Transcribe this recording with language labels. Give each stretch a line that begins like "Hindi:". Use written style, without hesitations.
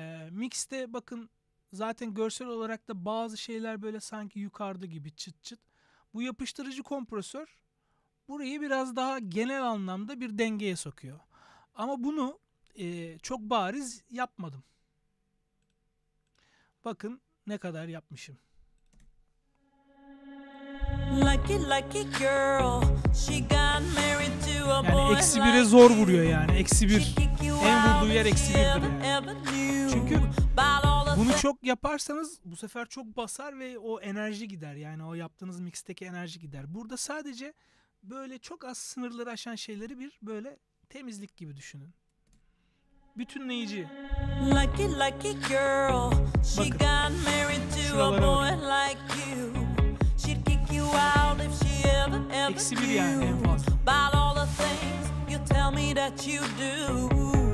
Turkish: Mix'te bakın, zaten görsel olarak da bazı şeyler böyle sanki yukarıda gibi çıt çıt. Bu yapıştırıcı kompresör burayı biraz daha genel anlamda bir dengeye sokuyor. Ama bunu çok bariz yapmadım. Bakın ne kadar yapmışım.
English: Lucky lucky girl, she got married to a boy.
Turkish: Yani eksi bire zor vuruyor yani. Eksi bir. En vurduğu yer eksi birdir yani. Çünkü bunu çok yaparsanız bu sefer çok basar ve o enerji gider. Yani o yaptığınız mixteki enerji gider. Burada sadece böyle çok az sınırları aşan şeyleri bir böyle temizlik gibi düşünün. Bütünleyici.
English: Lucky lucky girl, she got married to a boy like you. She'd kick you out if she ever knew.
Turkish: Eksi bir yani en fazla.
English: About all the things you tell me that you do.